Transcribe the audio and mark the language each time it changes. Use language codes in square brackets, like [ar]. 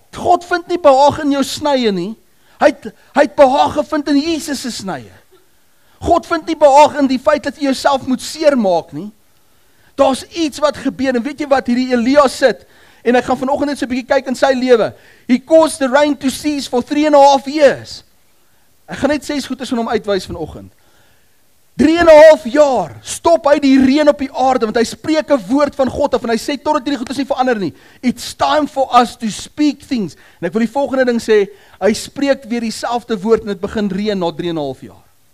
[af] God vind nie behaag in jou snye nie. Hy het behaag gevind in Jesus se snye. God vind nie behaag in die feit dat jy jouself moet seermaak nie. Daar's iets wat gebeur en weet jy wat hierdie Elia sit en ek gaan vanoggend net so 'n bietjie kyk in sy lewe. [en] He caused the rain to cease for 3.5 years. [af] Ek gaan net 6 goeie van hom uitwys vanoggend. 3.5 jaar stop hy die reën op die aarde want hy spreek 'n woord van God af en hy sê totdat hierdie goeie nie verander nie. [en] It's time for us to speak things. [af] En ek wil die volgende ding sê, hy spreek weer dieselfde woord en dit begin reën na 3.5 jaar.